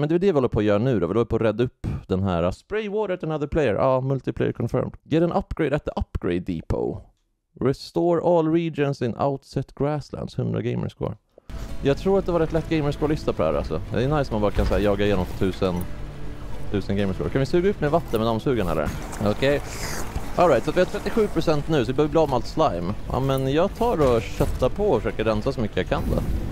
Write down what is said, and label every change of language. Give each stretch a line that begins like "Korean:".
Swedish: Men det är det vi håller på att göra nu då. Vi håller på att rädda upp den här.
English: Spray water at another player. Ja, multiplayer confirmed. Get an upgrade at the upgrade depot. Restore all regions in Outset Grasslands. 100 gamerscore.
Swedish: Jag tror att det var ett lätt gamerscore-lista på det här alltså. Det är nice om man bara kan säga jaga igenom för 1000 gamerscore. Kan vi suga upp med vatten med dammsugaren eller? Okej. Okay. All right, så vi har 37% nu så vi behöver bli av med allt slime. Ja, men jag tar och köttar på och försöker rensa så mycket jag kan då.